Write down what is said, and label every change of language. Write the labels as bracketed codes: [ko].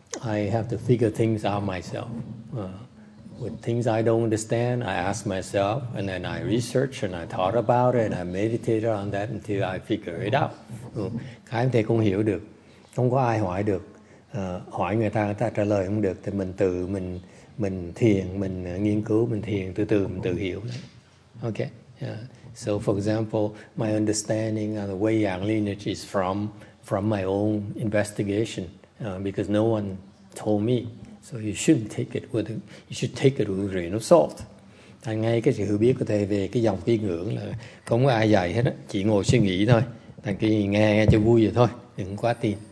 [en] I have to figure things out myself. With things I don't understand, I ask myself, and then I research, and I thought about it, and I meditated on that until I figure it out. [vi] Cái thầy cũng hiểu được, không có ai hỏi được, hỏi người ta trả lời không được, thì mình tự mình thiền, mình nghiên cứu, mình thiền từ từ mình tự hiểu. [en] Okay. Yeah. So for example, my understanding of the Wei Yang lineage is from my own investigation, because no one told me. So you shouldn't take it with you should take it with a grain of salt. [vi] Tại ngay cái sự hiểu biết của thầy về cái dòng quy ngưỡng là không có ai dạy hết á, chỉ ngồi suy nghĩ thôi. Tại cái nghe cho vui vậy thôi, đừng quá tin.